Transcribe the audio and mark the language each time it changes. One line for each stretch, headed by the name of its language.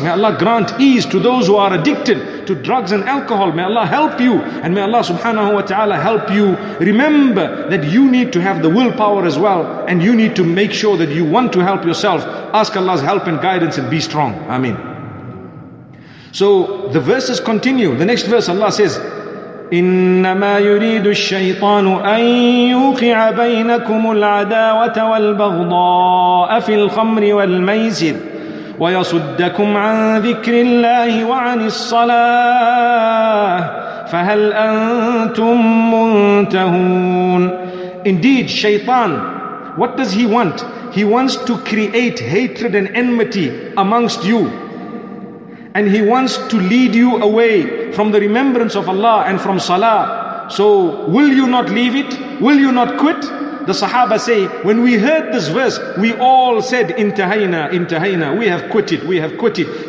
English: May Allah grant ease to those who are addicted to drugs and alcohol. May Allah help you. And may Allah subhanahu wa ta'ala help you. Remember that you need to have the willpower as well. And you need to make sure that you want to help yourself. Ask Allah's help and guidance and be strong. Ameen. So the verses continue. The next verse Allah says,
Arabic: إنما يريد الشيطان أن يوقع بينكم العداوة والبغضاء في الخمر والميسر ويصدكم عن ذكر الله وعن الصلاة فهل أنتم منتهون.
English: Indeed, Shaitan, what does he want? He wants to create hatred and enmity amongst you. And he wants to lead you away from the remembrance of Allah and from Salah. So will you not leave it? Will you not quit? The Sahaba say, when we heard this verse, we all said,
Arabic: intahayna, intahayna,
English: we have quitted, we have quitted.